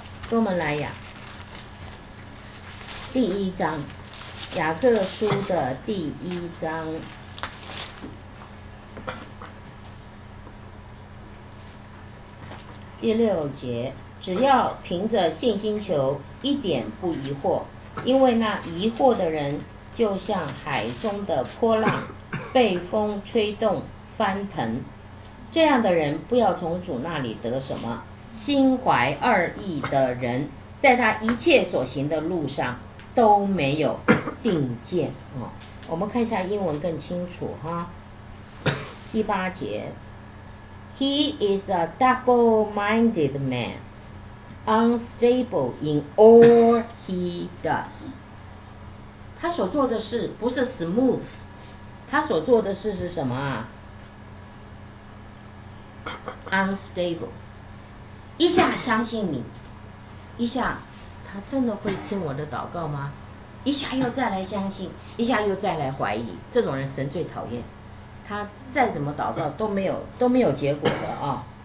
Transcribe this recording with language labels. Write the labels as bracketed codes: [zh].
[zh] 多门莱雅第一章，雅各书的第一章，第六节，只要凭着信心求，一点不疑惑，因为那疑惑的人就像海中的波浪，被风吹动翻腾，这样的人不要从主那里得什么。心怀二意的人，在他一切所行的路上都没有定见。我们看一下英文更清楚哈。第八节 [en] He is a double-minded man, unstable in all he does. [zh] 他所做的事不是 smooth， 他所做的事是什么啊？ unstable， 一下相信你，一下他真的会听我的祷告吗？一下又再来相信，一下又再来怀疑，这种人神最讨厌，他再怎么祷告都没有结果的啊。